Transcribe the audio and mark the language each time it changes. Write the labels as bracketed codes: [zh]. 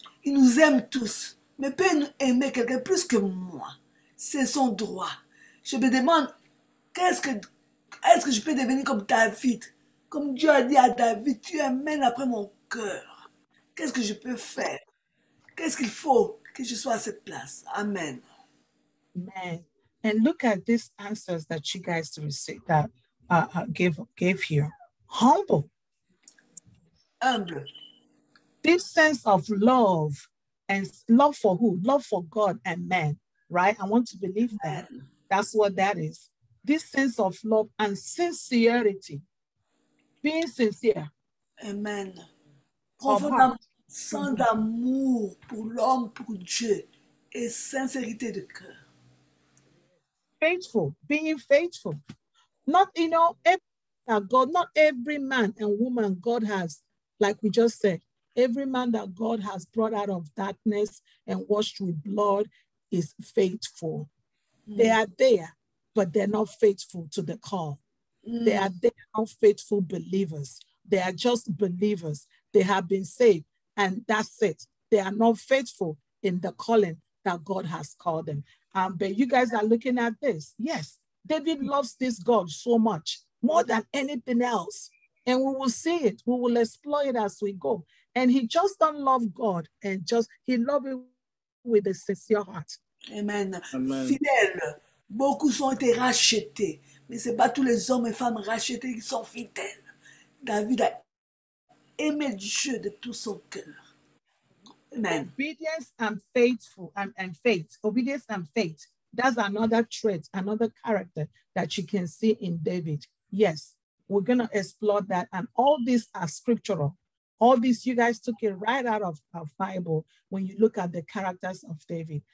[fr] Il nous aime tous. Mais peut aimer quelqu'un plus que moi. C'est son droit. Je me demande, est-ce que je peux devenir comme David? Comme Dieu a dit à David, tu amènes après mon cœur. Qu'est-ce que je peux faire? Qu'est-ce qu'il faut que je sois à cette place? Amen. Amen. [en] And look at these answers that you guys received, that gave here. Humble. Humble. This sense of love. And love for who? Love for God and man, right? I want to believe that. That's what that is. This sense of love and sincerity. Being sincere. Amen. [fr] Profond sens d'amour pour l'homme, pour Dieu, et sincérité de cœur. [en] Faithful. Being faithful. Not, you know, not every man and woman God has, like we just said, every man that God has brought out of darkness and washed with blood is faithful. Mm. They are there, but they're not faithful to the call. Mm. They are there, not faithful believers. They are just believers. They have been saved, and that's it. They are not faithful in the calling that God has called them. But you guys are looking at this. Yes, David loves this God so much, more than anything else. And we will see it. We will explore it as we go. And he just don't love God. And just, he loves him with a sincere heart. [fr] Amen. Amen. Fidèles. Beaucoup sont été rachetés. Mais ce n'est pas tous les hommes et femmes rachetés qui sont fidèles. David a aimé Dieu de tout son cœur. Amen. [en] Obedience and faithful and faith. Obedience and faith. That's another trait, another character that you can see in David. Yes. We're going to explore that. And all these are scriptural. All these, you guys took it right out of our Bible when you look at the characters of David.